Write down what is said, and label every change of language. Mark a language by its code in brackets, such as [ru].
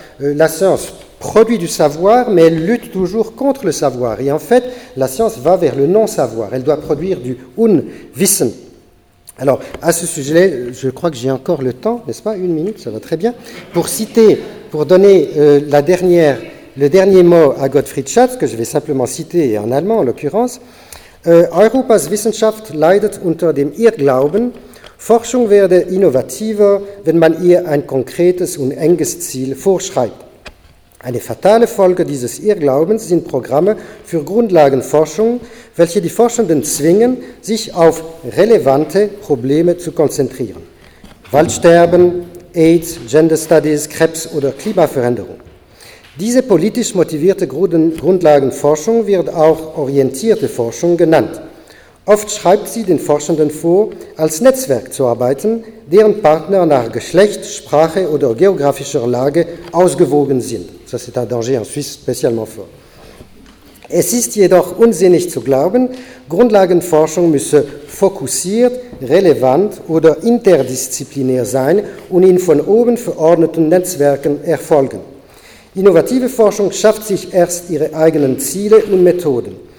[fr] La science produit du savoir, mais elle lutte toujours contre le savoir, et en fait la science va vers le non-savoir, elle doit produire du Unwissen. Alors, à ce sujet-là, je crois que j'ai encore le temps, n'est-ce pas, une minute, ça va très bien, pour donner le dernier mot à Gottfried Schatz, que je vais simplement citer en allemand en l'occurrence. [de] Europas Wissenschaft leidet unter dem Irrglauben, Forschung werde innovativer, wenn man ihr ein konkretes und enges Ziel vorschreibt. Eine fatale Folge dieses Irrglaubens sind Programme für Grundlagenforschung, welche die Forschenden zwingen, sich auf relevante Probleme zu konzentrieren. Waldsterben, AIDS, Gender Studies, Krebs oder Klimaveränderung. Diese politisch motivierte Grundlagenforschung wird auch orientierte Forschung genannt. Oft schreibt sie den Forschenden vor, als Netzwerk zu arbeiten, deren Partner nach Geschlecht, Sprache oder geografischer Lage ausgewogen sind. [fr] Ça, c'est un danger en Suisse spécialement fort. [de] Es ist jedoch unsinnig zu glauben, Grundlagenforschung müsse fokussiert, relevant oder interdisziplinär sein und in von oben verordneten Netzwerken erfolgen. Innovative Forschung schafft sich erst ihre eigenen Ziele und Methoden.